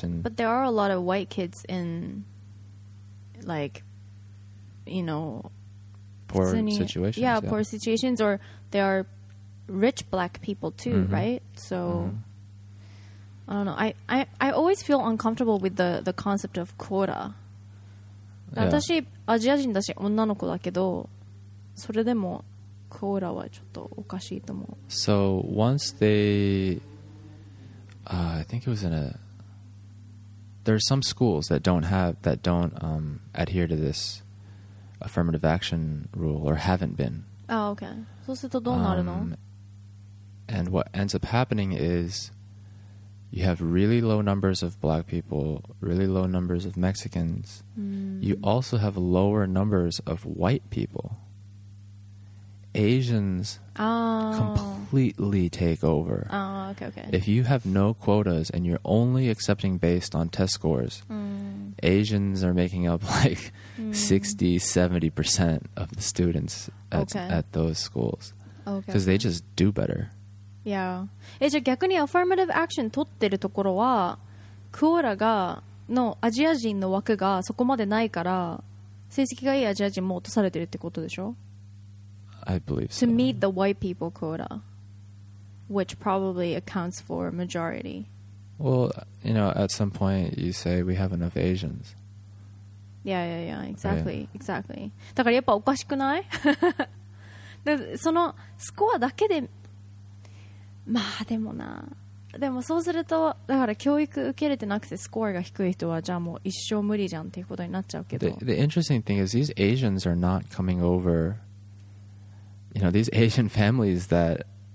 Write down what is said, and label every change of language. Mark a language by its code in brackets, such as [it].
[en] But there are a lot of white kids in like, you know, poor situations. Yeah, poor situations orThere are rich black people too, right? So, I don't know. I always feel uncomfortable with the concept of quota. Yeah. [ja] 私、アジア人だし、女の子だけど、それでも、クォーラはちょっとおかしいと思う。 [en] So, once they... I think it was in a... There are some schools that don't have... That don't adhere to this affirmative action rule or haven't been. Oh, okay. [ja] そうするとどうなるの? [en] And what ends up happening is you have really low numbers of black people, really low numbers of Mexicans. You also have lower numbers of white people. Asians completely take over. Okay. If you have no quotas and you're only accepting based on test scores, Asians are making up like 60-70% of the students at those schools. Okay. They just do better. Yeah. [ja] え、じゃあ逆にアファーマティブアクション取ってるところはクォーラがのアジア人の枠がそこまでないから成績がいいアジア人も落とされてるってことでしょ? [en] I believe so. To meet the white people quota, which probably accounts for majority. Well, you know, at some point you say we have enough Asians. Yeah, exactly, right. Exactly. [ja] だからやっぱおかしくない?で、そのスコアだけで、まあでもな。でもそうすると、だから教育受けれてなくてスコアが低い人はじゃあもう一生無理じゃんっていうことになっちゃうけど。 [en] The interesting thing is these Asians are not coming over, you know, these Asian families that